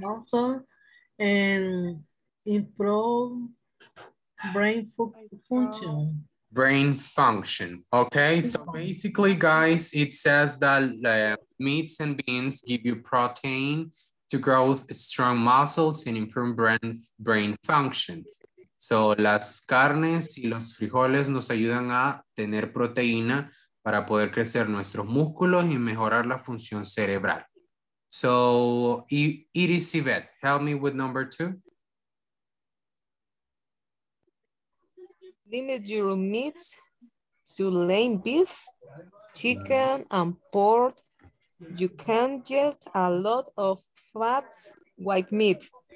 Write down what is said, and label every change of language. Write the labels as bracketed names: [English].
[English] Muscle and improve brain function. Brain function. Okay, so basically, guys, it says that meats and beans give you protein to grow strong muscles and improve brain function. [Spanish] So, las carnes y los frijoles nos ayudan a tener proteína para poder crecer nuestros músculos y mejorar la función cerebral. [English] So, Iris Yvette, help me with number two. Limit your meats to lean beef, chicken, and pork. You can get a lot of fat white meat.